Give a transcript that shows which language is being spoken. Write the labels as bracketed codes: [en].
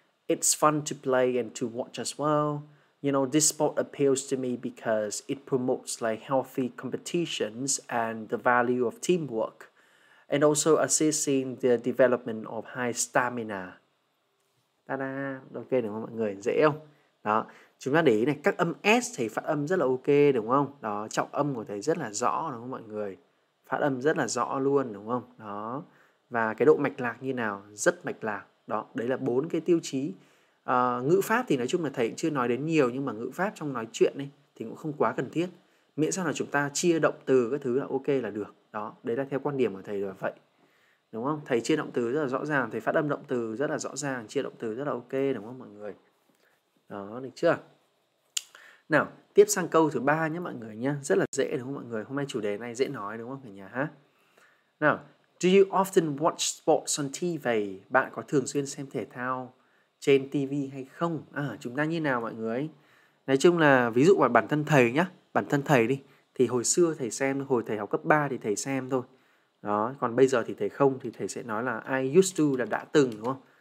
[en] It's fun to play and to watch as well. You know, this sport appeals to me because it promotes like healthy competitions and the value of teamwork, and also assisting the development of high stamina. [vi] Ta-da! Ok đúng không mọi người? Dễ không? Đó. Chúng ta để ý này, các âm S thì phát âm rất là ok đúng không? Đó, trọng âm của thầy rất là rõ đúng không mọi người? Phát âm rất là rõ luôn đúng không? Đó. Và cái độ mạch lạc như nào? Rất mạch lạc. Đó, đấy là bốn cái tiêu chí. Ngữ pháp thì nói chung là thầy cũng chưa nói đến nhiều, nhưng mà ngữ pháp trong nói chuyện ấy thì cũng không quá cần thiết. Miễn sao là chúng ta chia động từ các thứ là ok là được. Đó, đấy là theo quan điểm của thầy là vậy. Đúng không? Thầy chia động từ rất là rõ ràng, thầy phát âm động từ rất là rõ ràng, chia động từ rất là ok đúng không mọi người? Đó, được chưa? Nào, tiếp sang câu thứ ba nhé mọi người nhé. Rất là dễ đúng không mọi người? Hôm nay chủ đề này dễ nói đúng không cả nhà ha? [en] Nào, do you often watch sports on TV? [vi] Bạn có thường xuyên xem thể thao trên TV hay không? À, chúng ta như nào mọi người? Nói chung là ví dụ bản thân thầy nhé, bản thân thầy đi, thì hồi xưa thầy xem, hồi thầy học cấp 3 thì thầy xem thôi. Đó, còn bây giờ thì thầy không, thì thầy sẽ nói là [en] I used to, [vi] là đã từng đúng không?